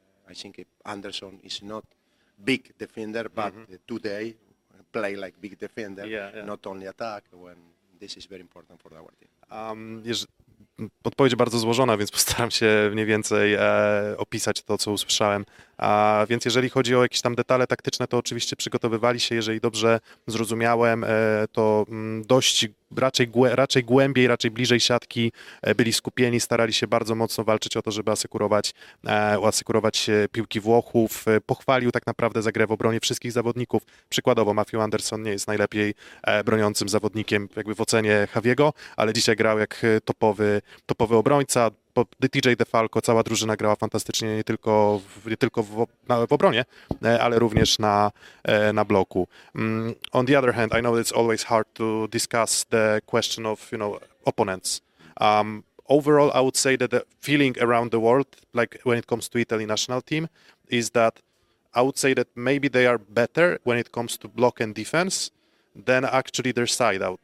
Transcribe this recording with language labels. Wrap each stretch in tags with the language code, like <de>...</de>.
<en>I think Anderson is not big defender, but today play like big defender, not only attack. When this is very important for our team.</en> <pl>Odpowiedź bardzo złożona, więc postaram się mniej więcej opisać to, co usłyszałem. Więc jeżeli chodzi o jakieś tam detale taktyczne, to oczywiście przygotowywali się, jeżeli dobrze zrozumiałem, to dość raczej głębiej, raczej bliżej siatki byli skupieni, starali się bardzo mocno walczyć o to, żeby asekurować piłki Włochów. Pochwalił tak naprawdę za grę w obronie wszystkich zawodników. Przykładowo Matthew Anderson nie jest najlepiej broniącym zawodnikiem jakby w ocenie Javiego, ale dzisiaj grał jak topowy obrońca. TJ DeFalco, cała drużyna grała fantastycznie nie tylko w obronie, ale również na bloku.</pl> <en>On the other hand, I know it's always hard to discuss the question of, you know, opponents. Overall, I would say that the feeling around the world, like when it comes to Italy national team, is that I would say that maybe they are better when it comes to block and defense than actually their side out.</en>